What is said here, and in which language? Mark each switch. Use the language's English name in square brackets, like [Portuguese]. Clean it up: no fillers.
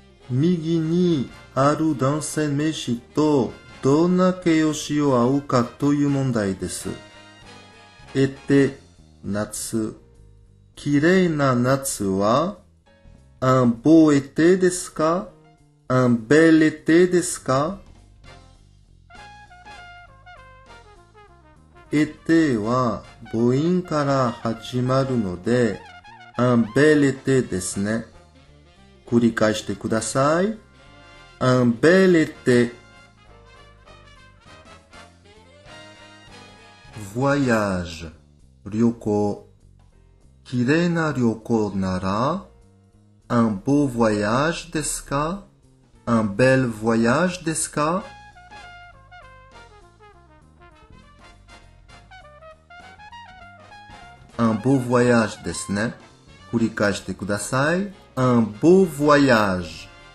[Japanese] 右にある男性名詞とどんな形容詞を合うかという問題です。えて、夏。綺麗な夏は [French] Un beau été [Japanese] ですか? [French] Un bel été [Japanese] ですか? Été は母音から始まるので [French] Un bel été [Japanese] ですね。繰り返してください。 [French] Un bel été. [Japanese] Voyage. 旅行。綺麗な旅行なら、 [French] Un beau voyage [Japanese] ですか? [French] Un bel voyage [Japanese] ですか? [French] Un beau voyage [Japanese] ですね。繰り返してください。 [French] Un beau voyage.